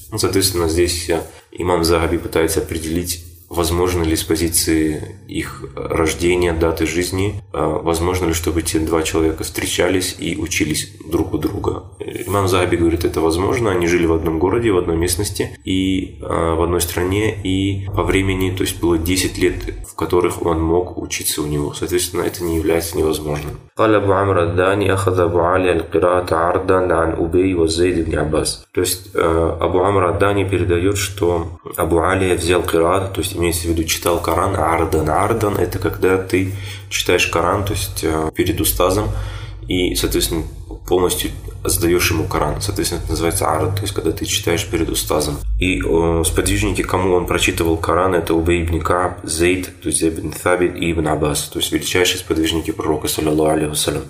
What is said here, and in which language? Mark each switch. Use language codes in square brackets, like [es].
[ru] Соответственно, здесь имам Захаби пытается определить, возможно ли с позиции их рождения, даты жизни, возможно ли, чтобы эти два человека встречались и учились друг у друга. Имам Захаби говорит, это возможно, они жили в одном городе, в одной местности, и в одной стране, и по времени, то есть было 10 лет, в которых он мог учиться у него. Соответственно, это не является невозможным. [ar] قَالَ أَبُو عَمْرَ الدَّانِي أَخَذَ أَبُو عَلِيَ الْقِرَاةَ عَرْدًا عَنْ أُبَيْ وَزَيْدِ بْنِ عَبَّاسٍ. [ru] То есть Абу Амра ад-Дани передает, что Абу Алия взял Кираат, то есть имеется в виду читал Коран, Ардан. Ардан – это когда ты читаешь Коран, то есть перед устазом, и, соответственно, полностью сдаешь ему Коран. Соответственно, это называется Ард, то есть когда ты читаешь перед устазом. И сподвижники, кому он прочитывал Коран, это Убей ибн Кааб, Зейд, то есть ибн Сабит и ибн Аббас, то есть величайшие сподвижники пророка, саллиллаху алейхи вассалям.